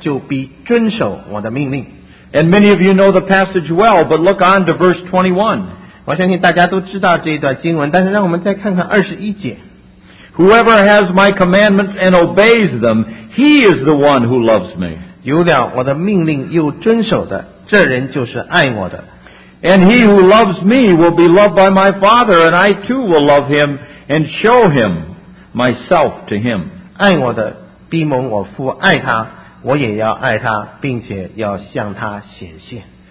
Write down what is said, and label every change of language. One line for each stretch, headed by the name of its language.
Chinese: 15节说,你们若爱我,就必遵守我的命令。
English: And many of you know the passage well, but look on to verse 21.
Chinese: 我相信大家都知道这一段经文,但是让我们再看看21节。
English: Whoever has my commandments and obeys them, he is the one who loves me.
Chinese: 有了我的命令又遵守的,这人就是爱我的。
English: And he who loves me will be loved by my Father, and I too will love him and show him myself to him.
Chinese: 爱我的,逼蒙我父爱他,我也要爱他,并且要向他显现。